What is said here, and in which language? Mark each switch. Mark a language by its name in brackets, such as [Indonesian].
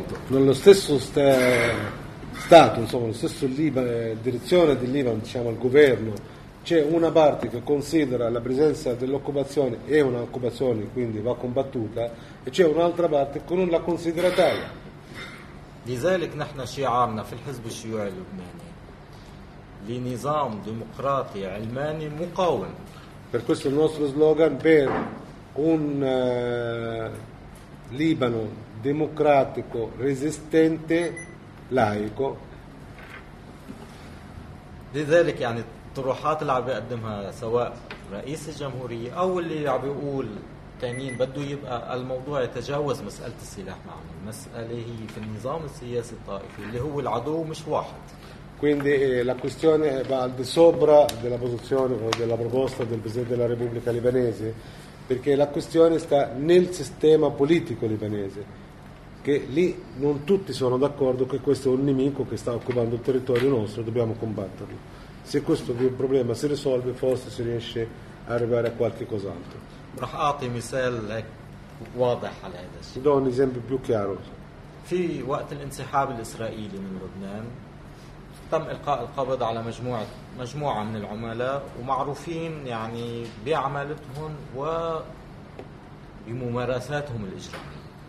[Italian] Nello stesso sta Stato, insomma, lo stesso direzione del Libano, diciamo il governo, c'è una parte che considera la presenza dell'occupazione è un'occupazione, quindi va combattuta, e c'è un'altra parte che non la considera tale. [Arabic] لذلك نحن شعارنا في الحزب الشيوعي اللبناني لنظام ديمقراطي علماني مقاوم. [Italian] Per questo il nostro slogan per un Libano democratico, resistente, laico. [Arabic] لذلك يعني الطروحات اللي عم بيقدمها سواء رئيس الجمهورية أو اللي عم بيقول تانين بده يبقى الموضوع يتجاوز مسألة السلاح معه. المسألة هي في النظام السياسي الطائفي اللي هو العدو مش واحد. [Italian] Quindi la questione va al di sopra della posizione o della proposta del Presidente della Repubblica libanese, perché la questione sta nel sistema politico libanese, che lì non tutti sono d'accordo che questo è un nemico che sta occupando il territorio nostro e dobbiamo combatterlo. Se questo problema si risolve, forse si riesce a arrivare a qualche cos'altro. Ti do un esempio più chiaro. [Arabic] في وقت الانسحاب الإسرائيلي من لبنان تم إلقاء القبض على مجموعة من العملاء ومعروفين يعني بعمالتهم وبممارساتهم الإجرامية.